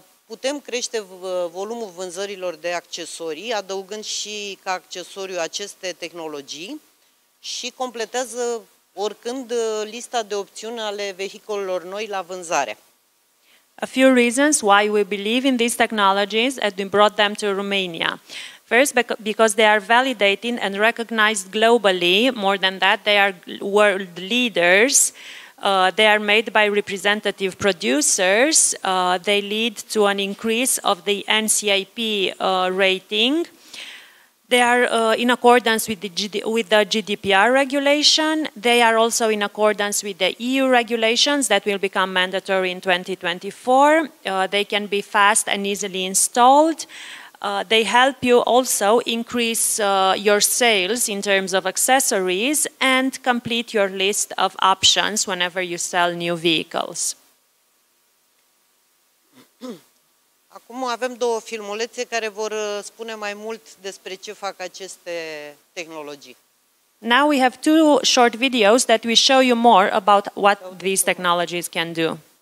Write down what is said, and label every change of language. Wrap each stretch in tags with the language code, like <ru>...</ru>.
<ro>putem crește volumul vânzărilor de accesorii, adăugând și ca accesoriu aceste tehnologii și completează oricând lista de opțiuni ale vehiculelor noi la vânzare.</ro> <en>A few reasons why we believe in these technologies and we brought them to Romania. First, because they are validating and recognized globally. More than that, they are world leaders. They are made by representative producers. They lead to an increase of the NCIP rating. They are in accordance with the GDPR regulation. They are also in accordance with the EU regulations that will become mandatory in 2024. They can be fast and easily installed. They help you also increase your sales in terms of accessories and complete your list of options whenever you sell new vehicles.</en> <ro>Acum avem două filmulețe care vor spune mai mult despre ce fac aceste tehnologii.</ro> <en>Now we have two short videos that will show you more about what these technologies can do.</en>